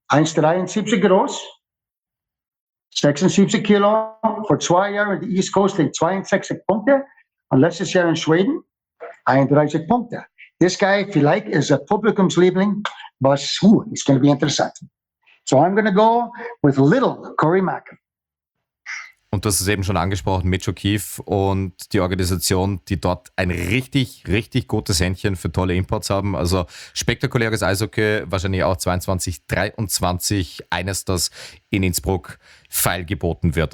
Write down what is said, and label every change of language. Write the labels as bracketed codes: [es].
[de] 1,73 groß. 76 Kilo. Vor 2 Jahren in der East Coast sind 62 Punkte. Und letztes Jahr in Schweden 31 Punkte. [en] This guy [de] vielleicht ist ein Publikumsliebling, [en] was it's going to be [de] interessant. [en] So I'm going to go with little Corey Macken. [de] Und du hast es eben schon angesprochen, Mitch O'Keefe und die Organisation, die dort ein richtig, richtig gutes Händchen für tolle Imports haben. Also spektakuläres Eishockey, wahrscheinlich auch 22, 23, eines, das in Innsbruck feilgeboten wird.